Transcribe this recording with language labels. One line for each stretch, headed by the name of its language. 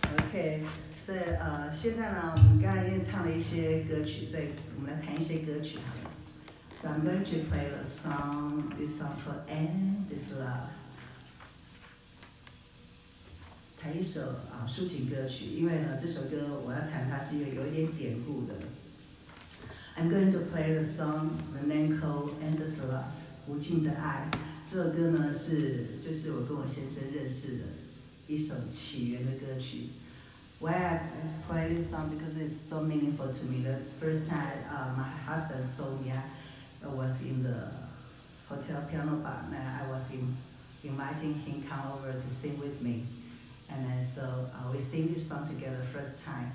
Chinese: Okay, 所以现在呢，我们刚才已经唱了一些歌曲，所以我们来弹一些歌曲。
English: So I'm going to play a song. This song called "End Is Love."
Chinese: 弹一首抒情歌曲，因为呢这首歌我要弹它是因为有一点典故的。
English: I'm going to play the song the name called "Endless Love"，
Chinese: 无尽的爱。这首歌呢是就是我跟我先生认识的一首起源的歌曲。
English: Why I play this song? Because it's so meaningful to me. The first time my husband saw me, I was in the hotel piano bar, and I was inviting him come over to sing with me. And then so we sing this song together first time.